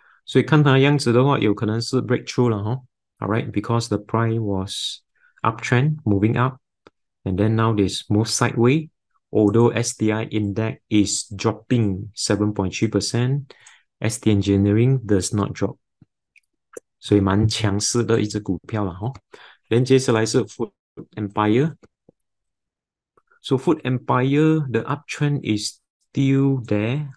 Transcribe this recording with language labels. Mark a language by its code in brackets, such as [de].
[zh] 所以看它的样子的话，有可能是 breakthrough 了哦。 [en] All right, because the price was uptrend moving up, and then now this move sideways. Although SDI index is dropping 7.3%, ST Engineering does not drop. [zh] 所以蛮强势的一只股票了哦。连接下来是 Food Empire. [en] So Food Empire, the uptrend is still there.